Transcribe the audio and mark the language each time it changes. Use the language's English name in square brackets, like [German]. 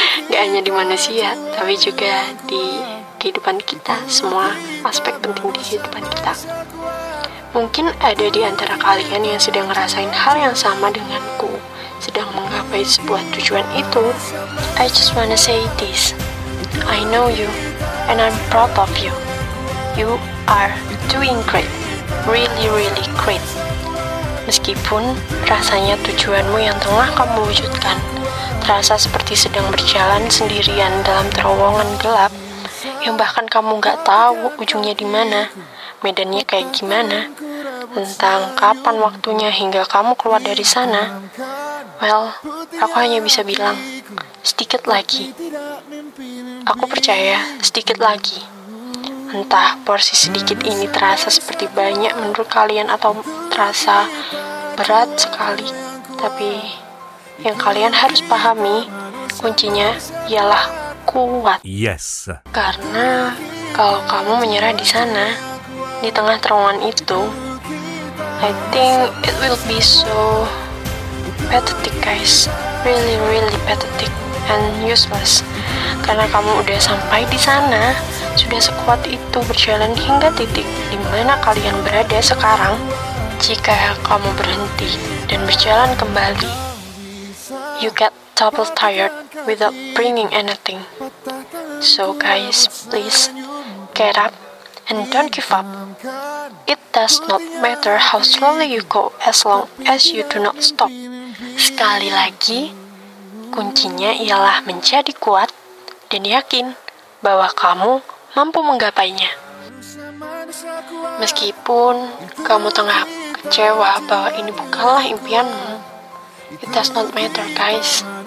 [Indonesian] Gak hanya di manusia, tapi juga di kehidupan kita, semua aspek penting di kehidupan kita. Mungkin ada di antara kalian yang sedang ngerasain hal yang sama denganku, sedang menggapai sebuah tujuan itu. [English] I just wanna say this. I know you, and I'm proud of you. You are doing great. Really, really great. [Indonesian] Meskipun rasanya tujuanmu yang tengah kamu wujudkan terasa seperti sedang berjalan sendirian dalam terowongan gelap yang bahkan kamu gak tahu ujungnya di mana, medannya kayak gimana, tentang kapan waktunya hingga kamu keluar dari sana. Well, aku hanya bisa bilang, sedikit lagi. Aku percaya, sedikit lagi. Entah porsi sedikit ini terasa seperti banyak menurut kalian atau terasa berat sekali. Tapi yang kalian harus pahami, kuncinya ialah kuat. [English] Yes. [Indonesian] Karena kalau kamu menyerah di sana, di tengah terowongan itu, [English] I think it will be so pathetic guys. Really really pathetic and useless. [Indonesian] Karena kamu udah sampai di sana, sudah sekuat itu berjalan hingga titik di mana kalian berada sekarang. Jika kamu berhenti dan berjalan kembali, [English] you get double tired without bringing anything. So guys, please get up and don't give up. It does not matter how slowly you go as long as you do not stop. [Indonesian] Sekali lagi, kuncinya ialah menjadi kuat dan yakin bahwa kamu mampu menggapainya. Meskipun kamu tengah kecewa bahwa ini bukanlah impianmu, [English] it does not matter, guys.